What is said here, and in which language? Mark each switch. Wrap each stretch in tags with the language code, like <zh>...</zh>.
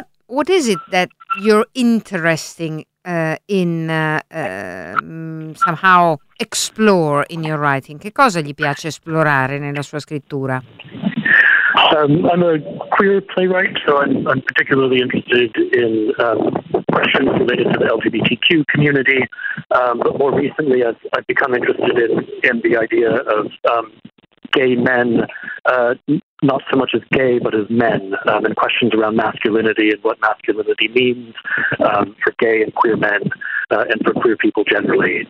<en>What is it that you're interesting in somehow explore in your writing?</en> <it>Che cosa gli piace esplorare nella sua scrittura?</it> <en>I'm a queer playwright, so I'm particularly interested in questions related to the LGBTQ community. But more recently, I've become interested in the idea of gay men, not so much as gay, but as men, and questions around masculinity and what masculinity means for gay and queer men, and for queer people generally.</en>